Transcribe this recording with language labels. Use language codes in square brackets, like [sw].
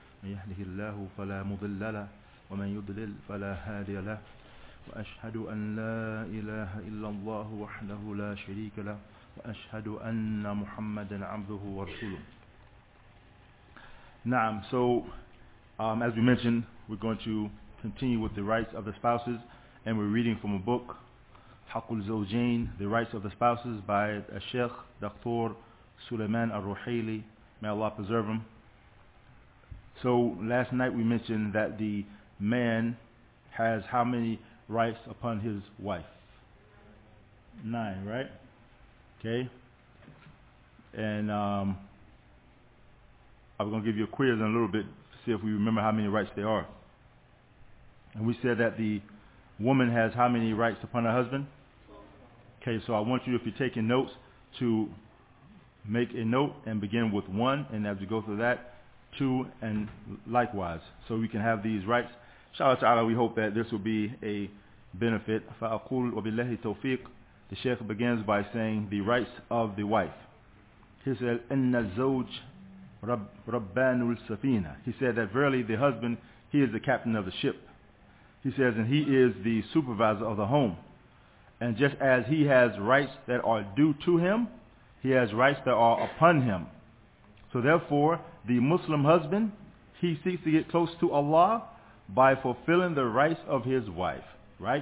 [ar] من يهده الله فلا مضل له ومن يضلل فلا هادي له. وأشهد أن لا إله إلا الله وحده لا شريك له وأشهد أن محمدا عبده ورسوله. نعم. [en] So as we mentioned, we're going to continue with the rights of the spouses, and we're reading from a book, حق الزوجين, The Rights of the Spouses, by الشيخ doctor سليمان الروحيلي. May Allah preserve him. So last night we mentioned that the man has how many rights upon his wife? 9, right? Okay. And I'm going to give you a quiz in a little bit to see if we remember how many rights there are. And we said that the woman has how many rights upon her husband? Okay, so I want you, if you're taking notes, to make a note and begin with 1, and as you go through that, 2, and likewise. So we can have these rights. Inshallah ta'ala, we hope that this will be a benefit. [ar] فَأَقُولْ وَبِاللَّهِ تَوْفِيقُ. [en] The Shaykh begins by saying the rights of the wife. He said, [ar] إِنَّ الزَّوْجْ رَبَّانُ السَّفِينَ. [en] He said that verily the husband, he is the captain of the ship. He says, and he is the supervisor of the home. And just as he has rights that are due to him, he has rights that are upon him. So therefore, the Muslim husband, he seeks to get close to Allah by fulfilling the rights of his wife. Right?